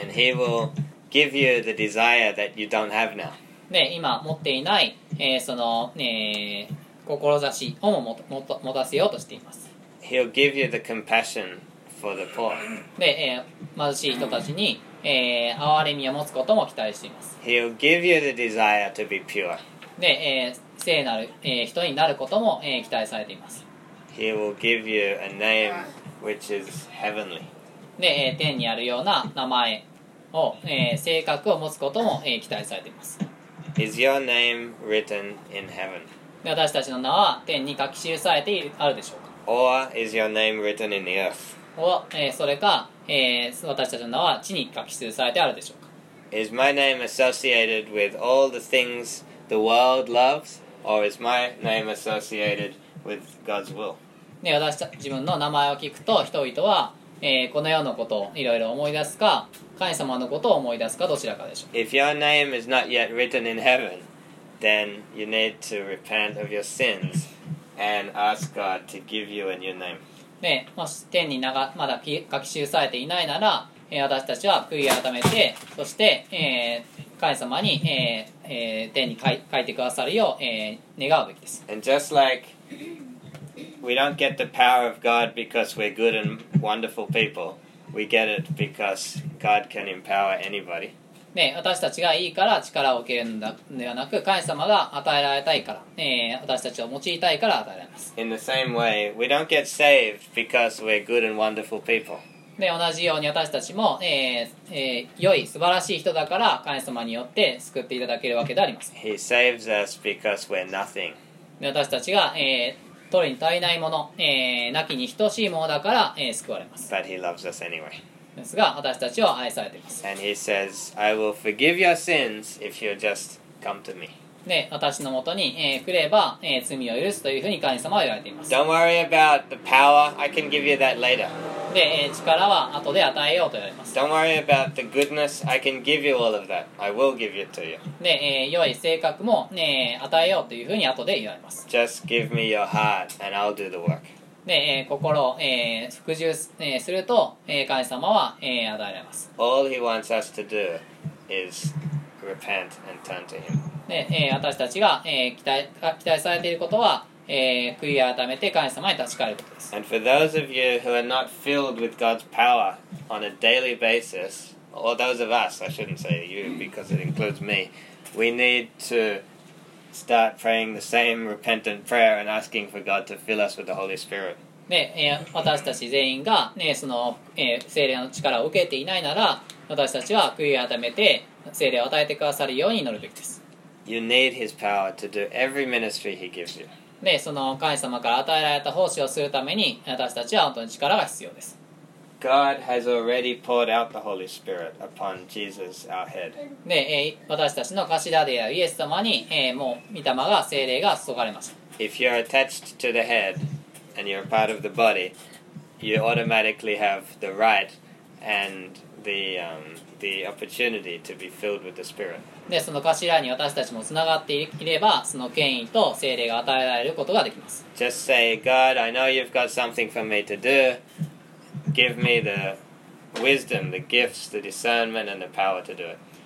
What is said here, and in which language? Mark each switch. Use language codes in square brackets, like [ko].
[en] And he willGive you the desire that you don't have now. [ja] ね、今持っていない、その、志をも持たせようとしています。 [en] He'll give you the compassion for the poor. [ja] ね、貧しい人たちに、憐れみを持つことも期待しています。 [en] He'll give you the desire to be pure. [ja] ね、聖なる、人になることも、期待されています。 [en] He will give you a name which is heavenly. [ja] ね、天にあるような名前。性格を持つことも、期待されています。 [en] Is your name written in heaven? [ja] 私たちの名は天に書き記されているあるでしょうか。 [en] Or is your name written in the earth? [ja] それか、私たちの名は地に書き記されてあるでしょうか。 [en] Is my name associated with all the things the world loves? Or is my name associated with God's will? [ja] 自分の名前を聞くと人々はこの世のことをいろいろ思い出すか、神様のことを思い出すか、どちらかでしょう。 [en] If your name is not yet written in heaven, then you need to repent of your sins and ask God to give you a new name. [ja] で、もし天に名がまだ書き記されていないなら、私たちは悔い改めて、そして、神様に、天に書いてくださるよう、願うべきです。 [en] And just likeWe don't get the power of God because we're good and wonderful people. We get it because God can empower anybody. [ja] ね、私たちがいいから力を受けるんではなく、神様が与えられたいから、私たちを用いたいから与えられます。 [en] In the same way, we don't get saved because we're good and wonderful people. [ja] ね、同じように私たちも、良い素晴らしい人だから神様によって救っていただけるわけであります。 [en] He saves us because we're nothing. [ja] ね、私たちが、取りに足りないもの、なきに等しいものだから、救われます。 [en] But he loves us anyway. [ja] ですが、私たちは愛されています。 [en] And he says, I will forgive your sins if you just come to me. [ja] で、私のもとに、来れば、罪を許すというふうに神様は言われています。 [en] Don't worry about the power, I can give you that later. [ja] で、力は後で与えようと言われます。 [en] Don't worry about the goodness, I can give you all of that. I will give it to you. [ja] で、良い性格も、与えようというふうに後で言われます。 [en] Just give me your heart and I'll do the work. [ja] で、心を、服従、すると、神様は、与えられます。 [en] All he wants us to do is repent and turn to him. [ja] で、私たちが、期待されていることは、悔い改めて神様に立ち返ることです。 [en] And for those of you who are not filled with God's power on a daily basis, or those of us, I shouldn't say you because it includes me, we need to start praying the same repentant prayer and asking for God to fill us with the Holy Spirit. [ja] で、私たち全員が、ね、その、聖霊の力を受けていないなら、私たちは悔い改めて聖霊を与えてくださるように祈るべきです。 [en] You need his power to do every ministry he gives you. [ja] で、その神様から与えられた奉仕をするために、私たちは本当に力が必要です。 [en] God has already poured out the Holy Spirit upon Jesus, our head. [ja] で、私たちの頭であるイエス様に、もう御霊が、聖霊が注がれました。 [en] If you're attached to the head,And you're part of the body, you automatically have the right and the opportunity to be filled with the Spirit. [ja] で、その頭に私たちもつながっていれば、その権威と聖霊が与えられることができます。 [en] Just say, God, I know you've got something for me to do. Give me the wisdom, the gifts, the discernment, and the power to do it.